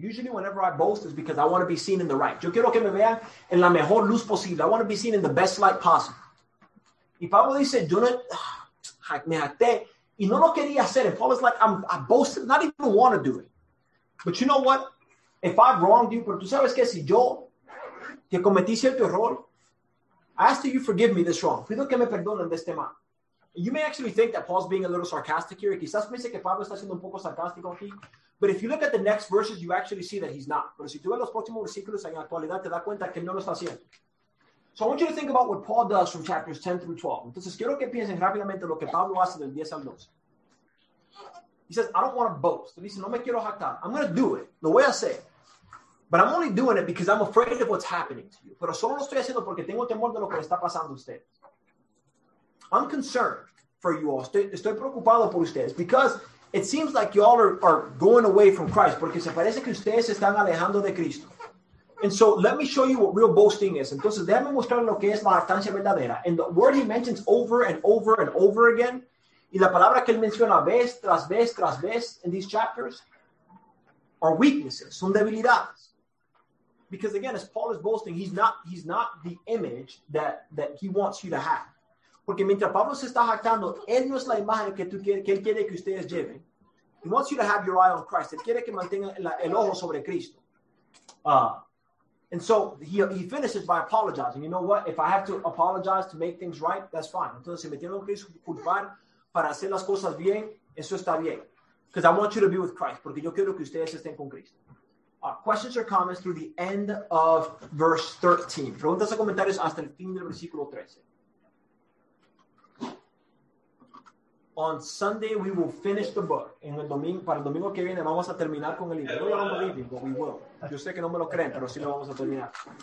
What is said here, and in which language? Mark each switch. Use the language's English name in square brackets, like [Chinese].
[English] Usually whenever I boast is because I want to be seen in the right. [Spanish] Yo quiero que me vean en la mejor luz posible. [English] I want to be seen in the best light possible. [Spanish] Y Pablo dice, yo no, me jacté y no lo quería hacer. [English] And Paul is like, I boasted, not even want to do it. But you know what? If I've wronged you, [Spanish] pero tú sabes que si yo te cometí cierto error, [English] I ask that you forgive me this wrong. [Spanish] Pido que me perdonen de este mal. [English] You may actually think that Paul's being a little sarcastic here. [Spanish] Quizás piense que Pablo está siendo un poco sarcástico aquí. [English] But if you look at the next verses, you actually see that he's not. [Spanish] Pero si tú ves los próximos versículos en la actualidad, te das cuenta que no lo está haciendo. [English] So I want you to think about what Paul does from chapters 10 through 12. [Spanish] Entonces quiero que piensen rápidamente lo que Pablo hace del 10 al 12. [English] He says, I don't want to boast. [Spanish] Dice, no me quiero jactar. [English] I'm going to do it. [Spanish] Lo voy a hacer. [English] But I'm only doing it because I'm afraid of what's happening to you. [Spanish] Pero solo lo estoy haciendo porque tengo temor de lo que está pasando a usted. [English] I'm concerned for you all. [Spanish] Estoy preocupado por ustedes. [English] Because it seems like you all are going away from Christ. [Spanish] Porque se parece que ustedes están alejando de Cristo. [English] And so let me show you what real boasting is. [Spanish] Entonces déjame mostrar lo que es la jactancia verdadera. [English] And the word he mentions over and over and over again. [Spanish] Y la palabra que él menciona vez tras vez tras vez en [English] these chapters are weaknesses, [Spanish] son debilidades. [English] Because again, as Paul is boasting, he's not the image that he wants you to have. [Spanish] Porque mientras Pablo se está jactando, él no es la imagen que él quiere que ustedes lleven. [English] He wants you to have your eye on Christ. [Spanish] Él quiere que mantenga el ojo sobre Cristo. [English] And so he finishes by apologizing. You know what? If I have to apologize to make things right, that's fine. [Spanish] Entonces, si me tengo que disculpar para hacer las cosas bien, eso está bien. [English] Because I want you to be with Christ. [Spanish] Porque yo quiero que ustedes estén con Cristo. [English] Questions or comments through the end of verse 13. [Spanish] Preguntas o comentarios hasta el fin del versículo 13. [English] On Sunday, we will finish the book. [Spanish] En el domingo, para el domingo que viene, vamos a terminar con el libro. No lo vamos a leer, [English] but we will. [Spanish] Yo sé que no me lo creen, pero sí lo vamos a terminar.